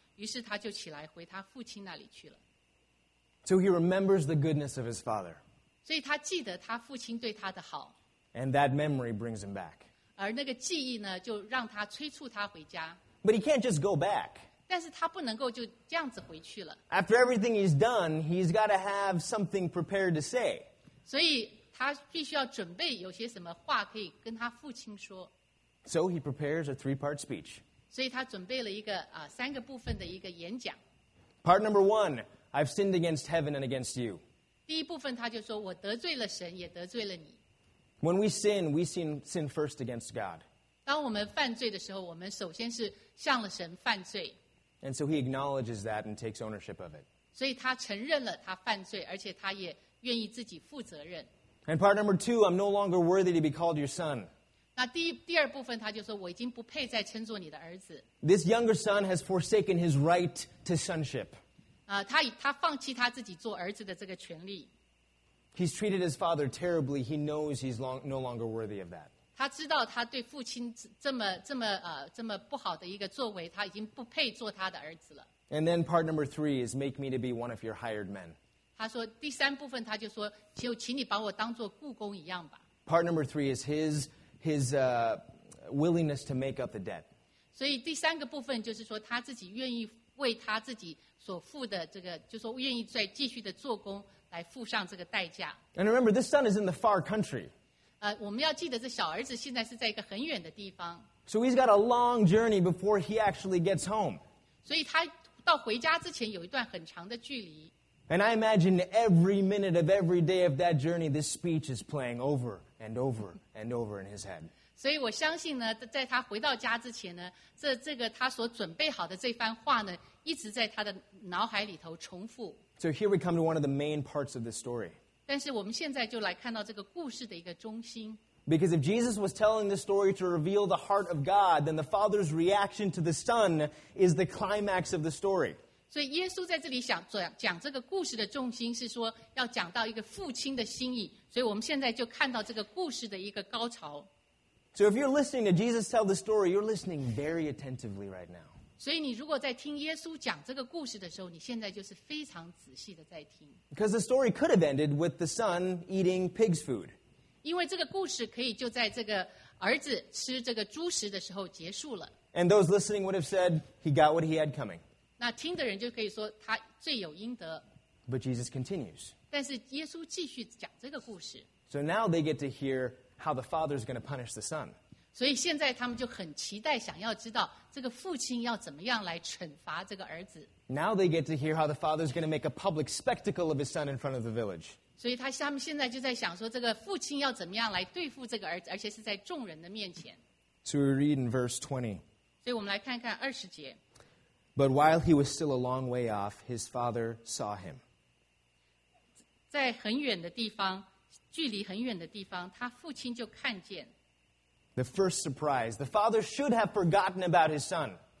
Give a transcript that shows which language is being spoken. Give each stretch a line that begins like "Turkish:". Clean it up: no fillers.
Chinese: 于是他就起来回他父亲那里去了。
English: So he remembers the goodness of his father.
Chinese: 所以他记得他父亲对他的好。
English: And that memory brings him back.
Chinese: 而那个记忆呢，就让他催促他回家。
English: But he can't just go back.
Chinese: 但是他不能够就这样子回去了。
English: After everything he's done, he's got to have something prepared to say.
Chinese: 所以他必须要准备有些什么话可以跟他父亲说。
English: So he prepares a three-part speech.
Chinese: 所以他准备了一个三个部分的一个演讲。
English: Part number one, I've sinned against heaven and against you.
Chinese: 第一部分他就说我得罪了神也得罪了你。
English: When we sin first against God.
Chinese: 当我们犯罪的时候，我们首先是向了神犯罪。
English: And so he acknowledges that and takes ownership of it.
Chinese: 所以他承认了他犯罪，而且他也愿意自己负责任。
English: And part number two, I'm no longer worthy to be called your son.
Chinese: 那第二部分他就说我已经不配再称作你的儿子。
English: This younger son has forsaken his right to sonship.
Chinese: 他放弃他自己做儿子的这个权利。
English: He's treated his father terribly. He knows he's no longer worthy of that.
Chinese: 他知道他对父亲这么不好的一个作为，他已经不配做他的儿子了。
English: And then part number three is make me to be one of your hired men.
Chinese: 他说第三部分他就说就请你把我当做雇工一样吧。
English: Part number three is his willingness to make up the debt.
Chinese: 所以第三个部分就是说他自己愿意为他自己所付的这个，就是说愿意再继续的做工。来付上这个代价。
English: And remember, this son is in the far country.
Chinese: 我们要记得这小儿子现在是在一个很远的地方。
English: So he's got a long journey before he actually gets home.
Chinese: 所以他到回家之前有一段很长的距离。
English: And I imagine every minute of every day of that journey, this speech is playing over and over and over in his head.
Chinese: 所以我相信呢，在他回到家之前呢，这个他所准备好的这番话呢，一直在他的脑海里头重复。
English: So here we come to one of the main parts of the story.
Chinese: 但是我们现在就来看到这个故事的一个中心。
English: Because if Jesus was telling this story to reveal the heart of God, then the Father's reaction to the Son is the climax of the story.
Chinese: 所以耶稣在这里想讲这个故事的重心是说要讲到一个父亲的心意，所以我们现在就看到这个故事的一个高潮。
English: So if you're listening to Jesus tell the story, you're listening very attentively right now.
Chinese: 所以你如果在听耶稣讲这个故事的时候，你现在就是非常仔细的在听。
English: Because the story could have ended with the son eating pig's food.
Chinese: 因为这个故事可以就在这个儿子吃这个猪食的时候结束了。
English: And those listening would have said he got what he had coming.
Chinese: 那听的人就可以说他罪有应得。
English: But Jesus continues.
Chinese: 但是耶稣继续讲这个故事。
English: So now they get to hear how the father is going to punish the son.
Chinese: 所以现在他们就很期待想要知道这个父亲要怎么样来惩罚这个儿子。
English: Now they get to hear how the father is going to make a public spectacle of his son in front of the village.
Chinese: 所以他们现在就在想说这个父亲要怎么样来对付这个儿子而且是在众人的面前
English: So we read in verse 20.
Chinese: 所以我们来看看二十节
English: But while he was still a long way off, his father saw him.
Chinese: 在很远的地方距离很远的地方他父亲就看见
English: The first surprise, the father should have forgotten about his son.